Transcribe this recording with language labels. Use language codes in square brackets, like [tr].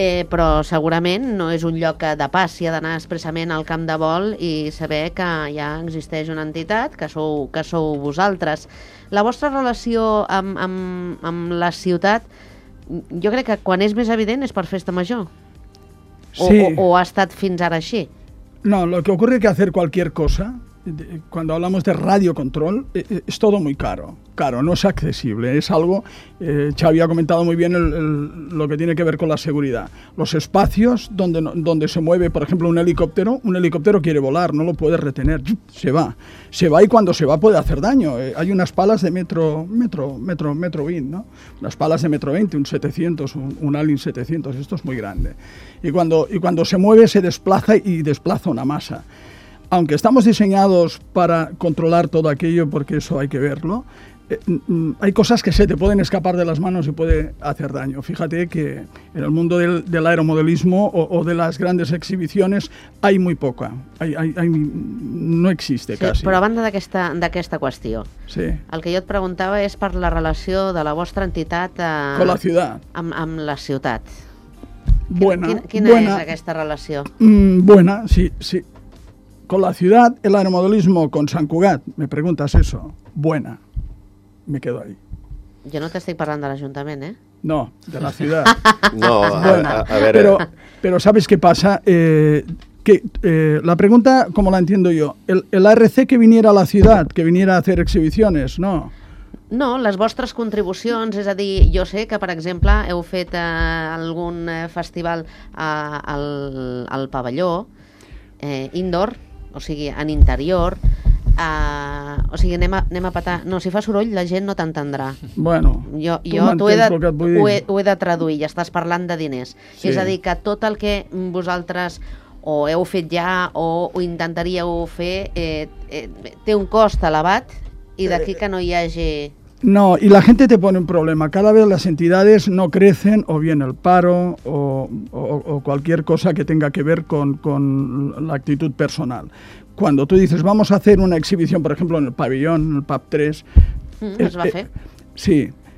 [ca] Però segurament no és un lloc de pas si ha d'anar expressament al camp de vol i saber que ja existeix una entitat, que sou vosaltres. La vostra relació amb la ciutat, jo crec que quan és més evident és per Festa Major. O ha estat fins ara així. [es] No, lo que ocurre es que hacer cualquier cosa, cuando hablamos de radio control, es todo muy caro. Caro, no es accesible. Es algo, Xavi ha comentado muy bien lo que tiene que ver con la seguridad. Los espacios donde se mueve, por ejemplo, un helicóptero quiere volar, no lo puede retener, se va. Se va y cuando se va puede hacer daño. Hay unas palas de metro 20, ¿no? Unas palas de metro 20, un 700, un Alin 700, esto es muy grande. Y cuando se mueve, se desplaza y desplaza una masa. Aunque estamos diseñados para controlar todo aquello, porque eso hay que verlo, hay cosas que se te pueden escapar de las manos y puede hacer daño. Fíjate que en el mundo del aeromodelismo o de las grandes exhibiciones hay muy poca, no existe casi. [ca] Sí, però a banda d'aquesta qüestió, sí, el que jo et preguntava és per la relació de la vostra entitat [es] con la ciudad. [ca] Amb la ciutat. [es] Buena. [ca] Quina és aquesta relació? [es] Buena, sí, sí. Con la ciudad, el aeromodelismo, con Sant Cugat, me preguntas eso, buena. Me quedo ahí. [ca] Jo no t'estic parlant de l'Ajuntament, eh? No, de la ciutat. No, a veure... Però sabes què passa? [es] La pregunta, com la entiendo jo, el ARC que viniera [ca] a la ciutat, [es] que viniera a hacer exhibiciones, no? [ca] No, les vostres contribucions, és a dir, jo sé que, per exemple, heu fet algun festival al pavelló, indoor, o sigui, en interior... anem a petar. No, si fa soroll, la gent no t'entendrà. Bueno, jo ho he de traduir, ja estàs parlant de diners. Sí. És a dir, que tot el que vosaltres o heu fet ja o ho intentaríeu fer té un cost elevat i d'aquí que no hi hagi... [es] No, y la gente te pone un problema. Cada vez las entidades no crecen, o bien el paro o cualquier cosa que tenga que ver con la actitud personal. Cuando tú dices, vamos a hacer una exhibición, por ejemplo, en el pabellón, en el PAP 3... ¿Es va a hacer? Sí.